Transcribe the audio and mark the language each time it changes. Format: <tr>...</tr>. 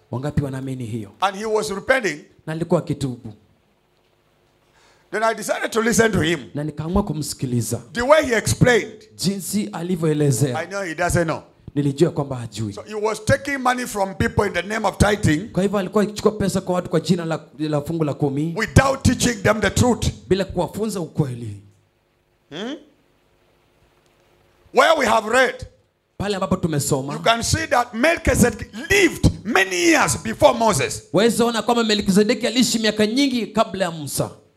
<sw>Wangapi wanaamini hiyo?</sw> <en>And he was repenting.</en> <sw>Na alikuwa akitubu.</sw> <en>Then I decided to listen to him.</en> <sw>Na nikaamua kumsikiliza.</sw> <en>The way he explained.</en> <sw>Jinsi alivyoelezea.</sw> <en>I know he doesn't know.</en> <sw>Nilijua kwamba hajui.</sw> <en>So he was taking money from people in the name of tithing.</en> <sw>Kwa hivyo alikuwa akichukua pesa kwa watu kwa jina la fungu la 10.</sw> <en>Without teaching them the truth.</en> <sw>Bila kuwafunza ukweli.</sw> <en>Hmm? Where we have read.</en> <sw>Pale ambapo tumesoma.</sw> <en>You can see that Melchizedek lived many years before Moses.</en> <sw>Waweza ona kwamba Melchizedek aliishi miaka nyingi kabla ya Musa.</sw>